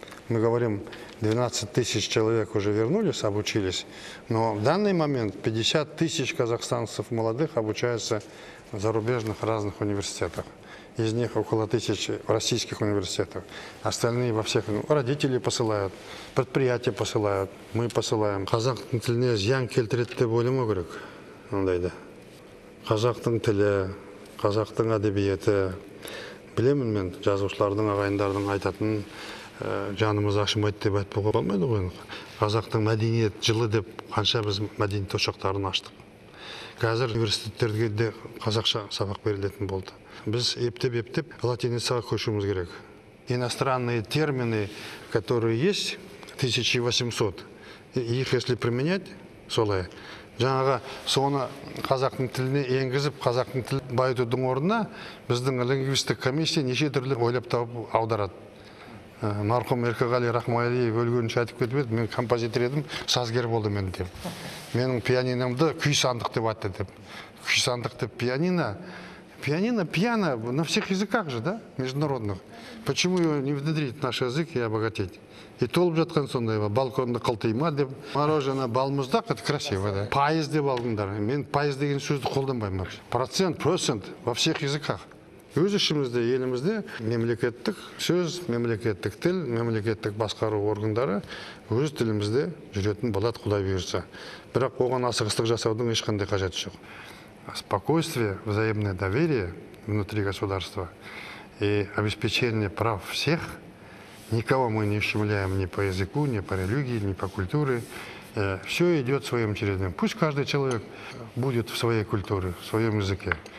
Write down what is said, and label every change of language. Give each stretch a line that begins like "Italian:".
Russian: Мы говорим, 12 тысяч человек уже вернулись, обучились, но в данный момент 50 тысяч казахстанцев молодых обучаются в зарубежных разных университетах. Из них около 1000 в российских университетах. Остальные во всех. Родители посылают, предприятия посылают, мы посылаем.
Kazakh: Казахтың тіліне зиян келтіретті болуы керек. Ондайды. Қазақтың тілі, қазақтың әдебиеті. Білемін мен, жазушылардың, ағайындардың айтатын, жанымыз ашымайды деп айтпауға болмайды ғой. Қазақтың мәдениет жылы деп қанша біз мәдениет ошақтарын аштық. Қазір университеттерге де қазақша сабақ берілетін болды. Біз ептеп-ептеп латиницаға көшуіміз керек.
Russian: Иностранные термины, которые есть, 1800, их если применять,
Kazakh: солай, жаңаға соны қазақтың тіліне енгізіп, қазақтың тілі байытудың орнына, біздің лингвистік комиссия неше түрлі ойлап тауып аударады. Марқұм Еркеғали Рахмалиев өлгенше айтып кетіп еді, мен композитор едім, сазгер болды мен деп. Менің пианинамды күй сандық деп айтты деп. Күй сандық деп пианино.
Russian: Пианино, пиано на всех языках же, да, международных. Почему его не внедрить в наш язык и обогатить?
Kazakh: И толып жатқан сонда его, балконды қылтыйма деп, мороженое балмыздақ,
Russian: это красиво, да.
Kazakh: Пайыз деп алдыңдар. Мен пайыз деген сөзді қолданбаймын
Russian: вообще. Процент во всех языках.
Kazakh: Өз ішімізде, елімізде мемлекеттік сөз, мемлекеттік тіл, мемлекеттік басқару органдары өз тілімізде жүретін болады, Құдай бұйырса. Бірақ оған асығыстық жасаудың ешқандай қажеті жоқ.
Russian: Спокойствие, взаимное доверие внутри государства и обеспечение прав всех, никого мы не ущемляем ни по языку, ни по религии, ни по культуре. Все идет своим чередом. Пусть каждый человек будет в своей культуре, в своем языке.